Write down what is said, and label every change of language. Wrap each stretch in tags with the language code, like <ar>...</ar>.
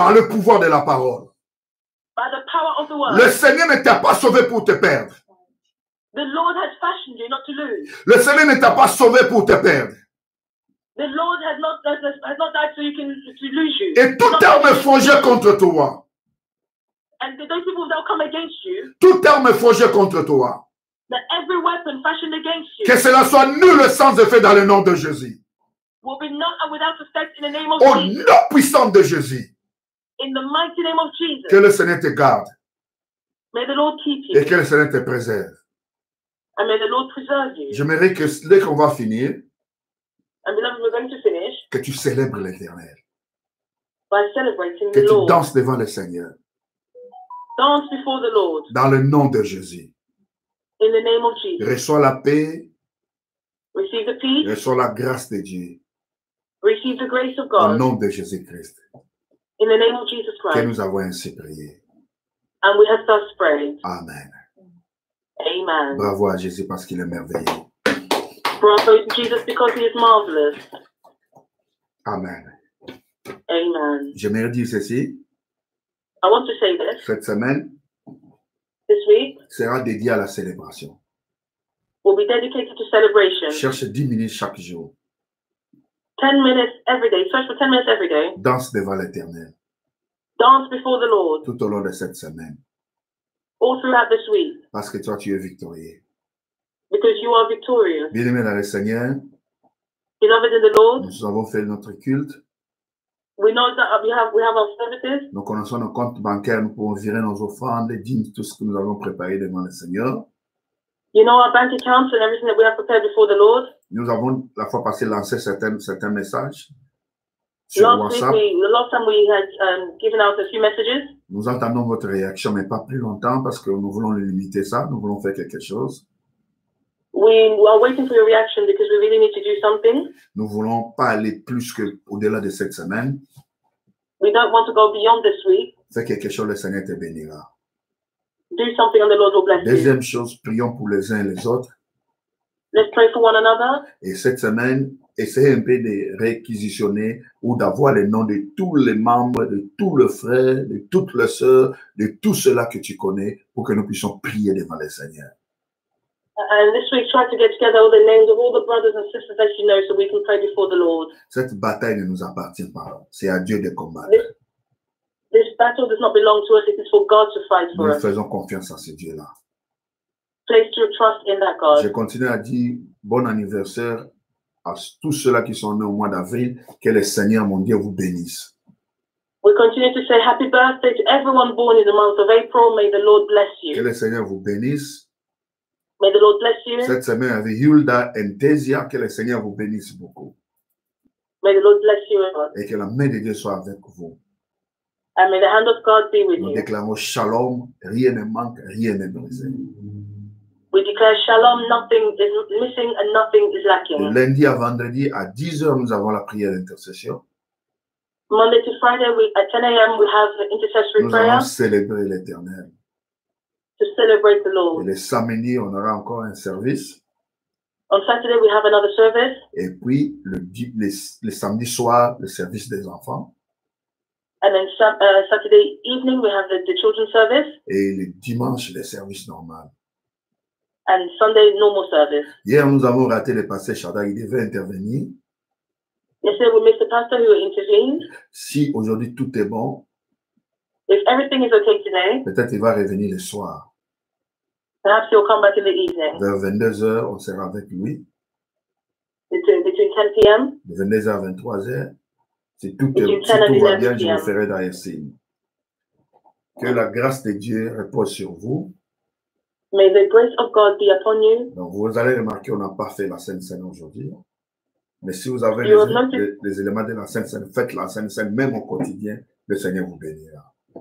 <fr>Par le pouvoir de la parole.</fr> <en>By the power of the word.</en> <fr>Le Seigneur ne t'a pas sauvé pour te perdre.</fr> <en>The Lord has fashioned you not to lose.</en> <fr>Le Seigneur ne t'a pas sauvé pour te perdre.</fr> <en>The Lord has not died so you can to lose you.</en> <fr>Et toute arme forgée contre toi.</fr> <en>And those people that will come against you.</en> <fr>Toute arme forgée contre toi.</fr> <en>That every weapon fashioned against you.</en> <fr>Que cela soit nul sans effet dans le nom de Jésus.</fr> <en>Will be not and without effect in the name of</en> <fr>au</fr> <en>Jesus.</en> <fr>Nom puissant de Jésus.</fr> <en>In the mighty name of Jesus.</en> <fr>Que le Seigneur te garde.</fr> <en>May the Lord keep you.</en> <fr>Et que le Seigneur te préserve.</fr> <en>And may the Lord preserve you.</en> <fr>J'aimerais que dès qu'on va finir.</fr> <en>And beloved, we're going to finish.</en> <fr>Que tu célèbres l'Éternel.</fr> <en>By celebrating</en> <fr>que</fr> <en>the Lord.</en> <fr>Que tu danses devant le Seigneur.</fr> <en>Dance before the Lord.</en> <fr>Dans le nom de Jésus.</fr> <en>In the name of Jesus.</en> <fr>Reçois la paix.</fr> <en>Receive the peace.</en> <fr>Reçois la grâce de Dieu.</fr> <en>Receive the grace of God.</en> <fr>Au nom de Jésus Christ.</fr> <en>In the name of Jesus Christ.</en> <fr>Que nous avons ainsi prié.</fr> <en>And we have thus prayed.</en> <fr>Amen.</fr> <en>Amen.</en> <fr>Bravo à Jésus parce qu'il est merveilleux.</fr> <en>Bravo to Jesus because he is marvelous.</en> <fr>Amen.</fr> <en>Amen.</en> <fr>J'aimerais dire ceci.</fr> <en>I want to say this.</en> <fr>Cette semaine.</fr> <en>This week.</en> <fr>Sera dédiée à la célébration.</fr> <en>Will be dedicated to celebration.</en> <fr>Cherche 10 minutes chaque jour.</fr> <en>10 minutes every day. Search for 10 minutes every day.</en> <fr>Danse devant l'Éternel.</fr> <en>Dance before the Lord.</en> <fr>Tout au long de cette semaine.</fr> <en>All throughout this week.</en> <fr>Parce que toi, tu es victorieux.</fr> <en>Because you are victorious.</en> <fr>Bien-aimé dans le Seigneur.</fr> <en>Beloved in the Lord.</en> <fr>Nous avons fait notre culte.</fr> <en>We know that we have our services.</en> <fr>Nous connaissons nos comptes bancaires. Nous pouvons virer nos offrandes, les dîmes, tout ce que nous avons préparé devant le Seigneur.</fr> <en>You know our bank accounts and everything that we have prepared before the Lord.</en> <fr>Nous avons la fois passée lancé certains messages sur last WhatsApp.</fr> <en>Last time we had given out a few messages.</en> <fr>Nous attendons votre réaction, mais pas plus longtemps parce que nous voulons limiter ça. Nous voulons faire quelque chose.</fr> <en>We are waiting for your reaction because we really need to do something.</en> <fr>Nous voulons pas aller plus que au-delà de cette semaine.</fr> <en>We don't want to go beyond this week.</en> <fr>Faire quelque chose, le Seigneur te bénira.</fr> <en>Do something and the Lord will bless you.</en> <fr>Deuxième chose, prions pour les uns et les autres.</fr> <en>Let's pray for one another.</en> <fr>Et cette semaine, essayez un peu de réquisitionner ou d'avoir les noms de tous les membres, de tous les frères, de toutes les sœurs, de tout cela que tu connais pour que nous puissions prier devant le Seigneur.</fr> <en>And this week, try to get together all the names of all the brothers and sisters that you know so we can pray before the Lord.</en> <fr>Cette bataille ne nous appartient pas. C'est à Dieu de combattre.</fr> <en>This battle does not belong to us. It is for God to fight for</en> <fr>nous</fr> <en>us.</en> <fr>Nous faisons confiance à ce Dieu-là.</fr> <en>Place your trust in that God.</en> <fr>Je continue à dire bon anniversaire à tous ceux-là qui sont nés au mois d'avril. Que le Seigneur, mon Dieu, vous bénisse.</fr> <en>We continue to say happy birthday to everyone born in the month of April. May the Lord bless you.</en> <fr>Que le Seigneur vous bénisse.</fr> <en>May the Lord bless you.</en> <fr>Cette semaine avec Hilda et Tezia, que le Seigneur vous bénisse beaucoup.</fr> <en>May the Lord bless you, God.</en> <fr>Et que la main de Dieu soit avec vous.</fr> <en>And may the hand of God be with</en> <fr>nous</fr> <en>you.</en> <fr>Nous déclarons shalom, rien ne manque, rien n'est brisé.</fr> <en>We declare shalom, nothing is missing and nothing is lacking.</en> <fr>Et lundi à vendredi à 10h, nous avons la prière d'intercession.</fr> <en>Monday to Friday, at 10 a.m, we have the intercessory</en> <fr>nous</fr> <en>prayer.</en> <fr>Nous allons célébrer l'Éternel.</fr> <en>To celebrate the Lord.</en> <fr>Et le samedi, on aura encore un service.</fr> <en>On Saturday, we have another service.</en> <fr>Et puis, le samedi soir, le service des enfants.</fr> <en>And then Saturday evening, we have the children's service.</en> <fr>Et le dimanche, le service normal.</fr> <en>And Sunday, normal service.</en> <fr>Hier, nous avons raté le pasteur Shaddai, il devait intervenir.</fr> <en>Yesterday, we missed the pastor who intervened.</en> <fr>Si aujourd'hui, tout est bon.</fr> <en>If everything is okay today,</en> <fr>peut-être il va revenir le soir.</fr> <en>Perhaps he'll come back in the evening.</en> <fr>Vers 22h, on sera avec lui.</fr> <en>Between 10 p.m.</en> <fr>De 22h à 23h. Si tout va bien, je vous ferai dans les signes. Que la grâce de Dieu repose sur vous.</fr> <en>May the grace of God be upon you.</en> <fr>Donc vous allez remarquer, on n'a pas fait la Sainte-Seine aujourd'hui. Mais si vous avez les éléments de la Sainte Seine, faites la Sainte Seine même au quotidien, le Seigneur vous bénira.</fr>